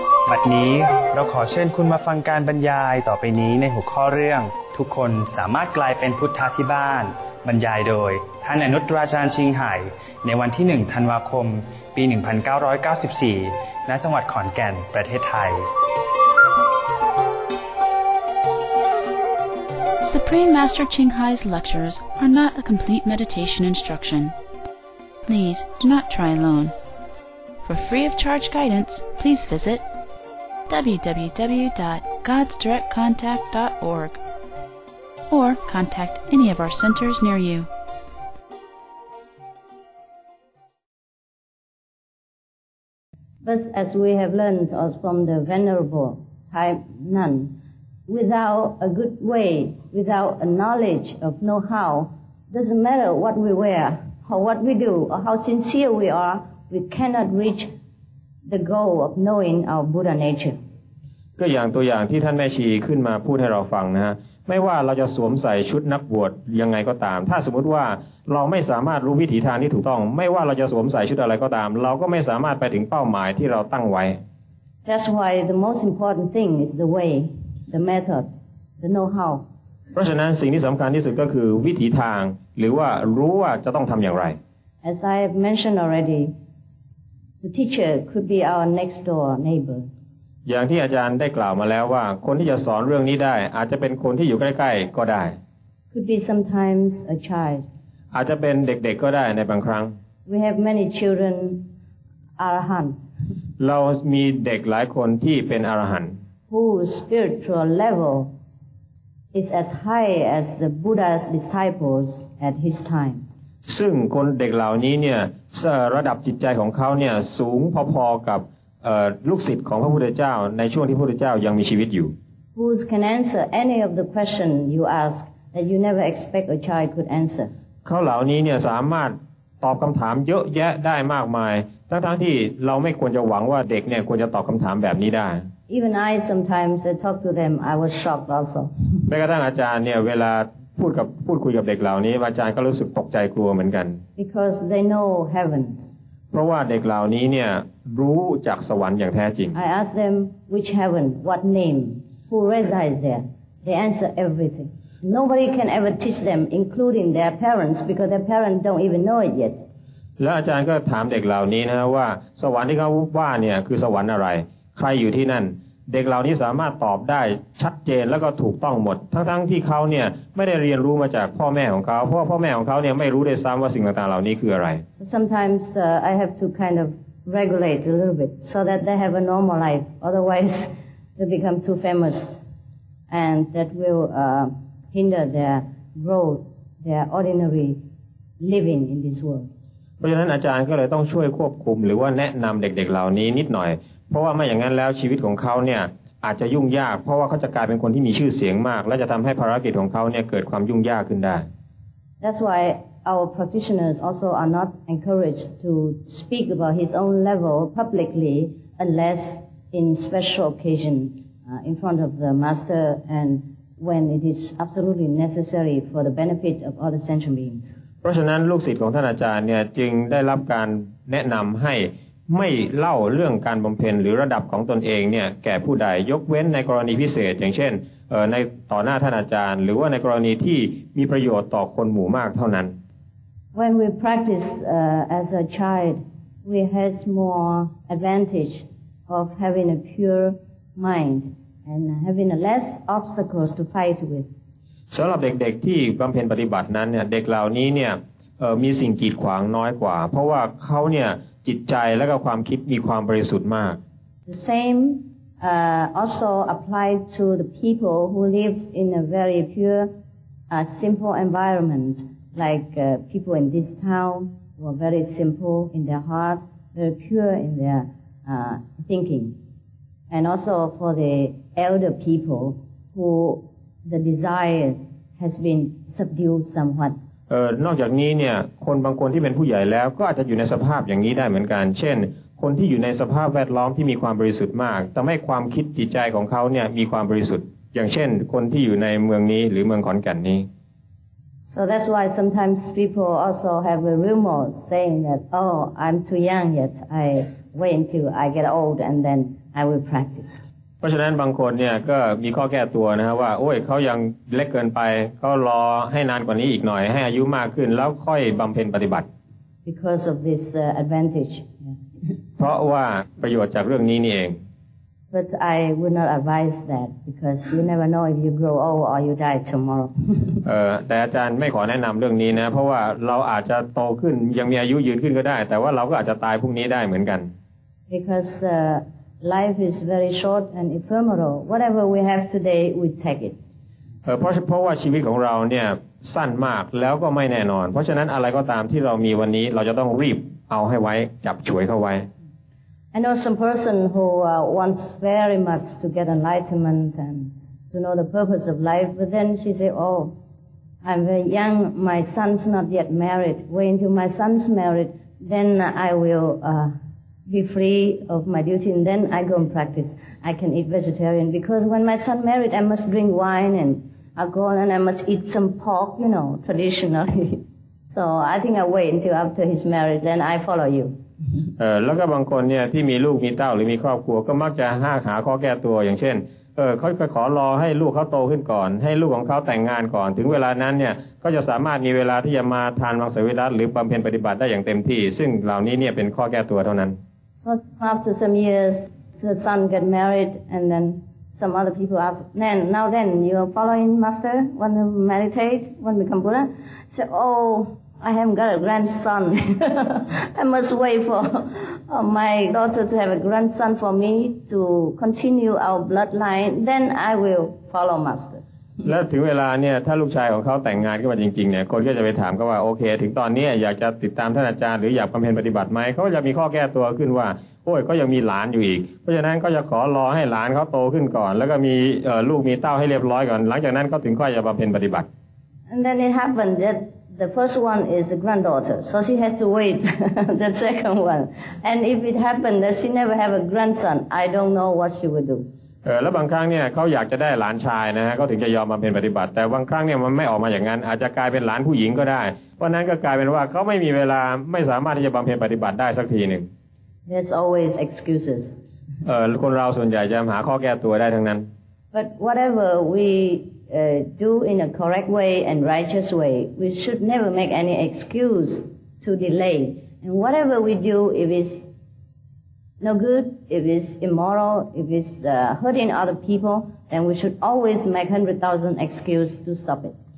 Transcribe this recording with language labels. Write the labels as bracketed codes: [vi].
[th] บัดนี้เราขอเชิญคุณมาฟังการบรรยายต่อไปนี้ในหัวข้อเรื่องทุกคนสามารถกลายเป็นพุทธะที่บ้านบรรยายโดยท่านอนุตราจารย์ชิงไห่ในวันที่1ธันวาคมปี1994ณจังหวัดขอนแก่นประเทศไทย [en] Supreme Master Ching Hai's lectures are not a complete meditation instruction. Please do not try alone. For free of charge guidance, please visit www.godsdirectcontact.org. Or contact any of our centers near you. But as we have learned from the Venerable Thai Nun, without a good way, without a knowledge of know-how, doesn't matter what we wear, or what we do, or how sincere we are, we cannot reach the goal of knowing our Buddha nature. [th] ก็อย่างตัวอย่างที่ท่านแม่ชีขึ้นมาพูดให้เราฟังนะฮะไม่ว่าเราจะสวมใส่ชุดนักบวชยังไงก็ตามถ้าสมมติว่าเราไม่สามารถรู้วิถีทางที่ถูกต้องไม่ว่าเราจะสวมใส่ชุดอะไรก็ตามเราก็ไม่สามารถไปถึงเป้าหมายที่เราตั้งไว้ [en] That's why the most important thing is the way, the method, the know-how. [th] เพราะฉะนั้นสิ่งที่สำคัญที่สุดก็คือวิถีทางหรือว่ารู้ว่าจะต้องทำอย่างไร [en] As I have mentioned already, the teacher could be our next door neighbor. [th] อย่างที่อาจารย์ได้กล่าวมาแล้วว่าคนที่จะสอนเรื่องนี้ได้อาจจะเป็นคนที่อยู่ใกล้ๆก็ได้ [en] Could be sometimes a child [th] อาจจะเป็นเด็กๆก็ได้ในบางครั้ง [en] We have many children arahant [th] เรามีเด็กหลายคนที่เป็นอรหันต์ [en] whose spiritual level is as high as the Buddha's disciples at his time [th] ซึ่งคนเด็กเหล่านี้เนี่ยระดับจิตใจของเขาเนี่ยสูงพอๆกับลูกศิษย์ของพระพุทธเจ้าในช่วงที่พระพุทธเจ้ายังมีชีวิตอยู่ [en] Who can answer any of the question you ask that you never expect a child could answer [th] เขาเหล่านี้เนี่ยสามารถตอบคำถามเยอะแยะได้มากมายทั้งที่เราไม่ควรจะหวังว่าเด็กเนี่ยควรจะตอบคำถามแบบนี้ได้ [en] Even I sometimes I talk to them I was shocked also [th] แม้กระทั่งอาจารย์เนี่ยเวลาพูดคุยกับเด็กเหล่านี้อาจารย์ก็รู้สึกตกใจกลัวเหมือนกัน [en] Because they know heavens [th] เพราะว่าเด็กเหล่านี้เนี่ยรู้จากสวรรค์อย่างแท้จริง [en] I ask them which heaven what name who resides there they answer everything nobody can ever teach them including their parents because their parents don't even know it yet [th] แล้วอาจารย์ก็ถามเด็กเหล่านี้นะว่าสวรรค์ที่เขาว่าเนี่ยคือสวรรค์อะไรใครอยู่ที่นั่น เด็กเหล่านี้สามารถตอบได้ชัดเจนแล้วก็ถูกต้องหมดทั้งๆที่เขาเนี่ยไม่ได้เรียนรู้มาจากพ่อแม่ของเขาเพราะพ่อแม่ของเขาเนี่ยไม่รู้ด้วยซ้ำว่าสิ่งต่างๆเหล่านี้คืออะไร [en] Sometimes I have to kind of regulate a little bit so that they have a normal life otherwise they become too famous and that will hinder their growth their ordinary living in this world [th] เพราะฉะนั้นอาจารย์ก็เลยต้องช่วยควบคุมหรือว่าแนะนำเด็กๆเหล่านี้นิดหน่อยเพราะว่าไม่อย่างนั้นแล้วชีวิตของเขาเนี่ยอาจจะยุ่งยากเพราะว่าเขาจะกลายเป็นคนที่มีชื่อเสียงมากและจะทำให้ภารกิจของเขาเนี่ยเกิดความยุ่งยากขึ้นได้ [en] That's why our practitioners also are not encouraged to speak about his own level publicly unless in special occasion in front of the master and when it is absolutely necessary for the benefit of other sentient beings [th] เพราะฉะนั้นลูกศิษย์ของท่านอาจารย์เนี่ยจึงได้รับการแนะนำให้ไม่เล่าเรื่องการบำเพ็ญหรือระดับของตนเองเนี่ยแก่ผู้ใดยกเว้นในกรณีพิเศษอย่างเช่นในต่อหน้าท่านอาจารย์หรือว่าในกรณีที่มีประโยชน์ต่อคนหมู่มากเท่านั้น [en] When we practice as a child we has more advantage of having a pure mind and having less obstacles to fight with [th] สำหรับเด็กๆที่บำเพ็ญปฏิบัตินั้นเนี่ยเด็กเหล่านี้เนี่ยมีสิ่งกีดขวางน้อยกว่าเพราะว่าเขาเนี่ยจิตใจและก็ความคิดมีความบริสุทธิ์มาก [en] The same also applied to the people who live in a very pure simple environment like people in this town who are very simple in their heart very pure in their thinking and also for the elder people who the desires has been subdued somewhat [th] นอกจากนี้เนี่ยคนบางคนที่เป็นผู้ใหญ่แล้วก็อาจจะอยู่ในสภาพอย่างนี้ได้เหมือนกันเช่นคนที่อยู่ในสภาพแวดล้อมที่มีความบริสุทธิ์มากแต่ไม่ความคิดจิตใจของเขาเนี่ยมีความบริสุทธิ์อย่างเช่นคนที่อยู่ในเมืองนี้หรือเมืองขอนแก่นนี้ [en] So that's why sometimes people also have a rumor saying that oh I'm too young yet I wait until I get old and then I will practice [th] เพราะฉะนั้นบางคนเนี่ยก็มีข้อแก้ตัวนะฮะว่าโอ้ยเขายังเล็กเกินไปก็รอให้นานกว่านี้อีกหน่อยให้อายุมากขึ้นแล้วค่อยบำเพ็ญปฏิบัติ [en] Because of this advantage [th] เพราะว่าประโยชน์จากเรื่องนี้นี่เอง [en] But I would not advise that because you never know if you grow old or you die tomorrow [th] แต่อาจารย์ไม่ขอแนะนำเรื่องนี้นะเพราะว่าเราอาจจะโตขึ้นยังมีอายุยืนขึ้นก็ได้แต่ว่าเราก็อาจจะตายพรุ่งนี้ได้เหมือนกัน [en] Because life is very short and ephemeral whatever we have today we take it [th] เพราะว่าชีวิตของเราเนี่ยสั้นมากแล้วก็ไม่แน่นอนเพราะฉะนั้นอะไรก็ตามที่เรามีวันนี้เราจะต้องรีบเอาให้ไว้จับฉวยเข้าไว้ [en] I know some person who wants very much to get enlightenment and to know the purpose of life but then she say oh I'm very young my son's not yet married wait until my son's married then I will be free of my duty and then I go and practice I can eat vegetarian because when my son married I must drink wine and alcohol and I must eat some pork you know traditionally so I think I wait until after his marriage then I follow you [th] แล้วก็บางคนเนี่ยที่มีลูกมีเต้าหรือมีครอบครัวก็มักจะห้าหาข้อแก้ตัวอย่างเช่นเขาจะขอรอให้ลูกเขาโตขึ้นก่อนให้ลูกของเขาแต่งงานก่อนถึงเวลานั้นเนี่ยก็จะสามารถมีเวลาที่จะมาทานมังสวิรัติหรือบำเพ็ญปฏิบัติได้อย่างเต็มที่ซึ่งเหล่านี้เนี่ยเป็นข้อแก้ตัวเท่านั้น [en] So after some years, her son got married, and then some other people asked, "Nan, now then, you are following Master? Want to meditate? Want to become Buddha?" Say, "Oh, I haven't got a grandson. I must wait for my daughter to have a grandson for me to continue our bloodline. Then I will follow Master." [th] และถึงเวลาเนี่ยถ้าลูกชายของเขาแต่งงานขึ้นมาจริงๆเนี่ยคนก็จะไปถามก็ว่าโอเคถึงตอนนี้อยากจะติดตามท่านอาจารย์หรืออยากบำเพ็ญปฏิบัติไหมเขาจะมีข้อแก้ตัวขึ้นว่าโอ้ยก็ยังมีหลานอยู่อีกเพราะฉะนั้นก็จะขอรอให้หลานเขาโตขึ้นก่อนแล้วก็มีลูกมีเต้าให้เรียบร้อยก่อนหลังจากนั้นก็ถึงค่อยจะบำเพ็ญปฏิบัติ [en] And then it happened that the first one is the granddaughter so she has to wait the second one and if it happened that she never have a grandson I don't know what she would do [th] แล้วบางครั้งเนี่ยเขาอยากจะได้หลานชายนะฮะก็ถึงจะยอมมาเป็นปฏิบัติแต่บางครั้งเนี่ยมันไม่ออกมาอย่างนั้นอาจจะกลายเป็นหลานผู้หญิงก็ได้เพราะนั้นก็กลายเป็นว่าเขาไม่มีเวลาไม่สามารถที่จะบำเพ็ญปฏิบัติได้สักทีหนึ่ง [en] There's always excuses [th] คนเราส่วนใหญ่จะหาข้อแก้ตัวได้ทั้งนั้น [en] But whatever we do in a correct way and righteous way we should never make any excuse to delay and whatever we do if it's no good, if it's immoral, if it's hurting other people, then we should always make 100,000 excuses to stop it.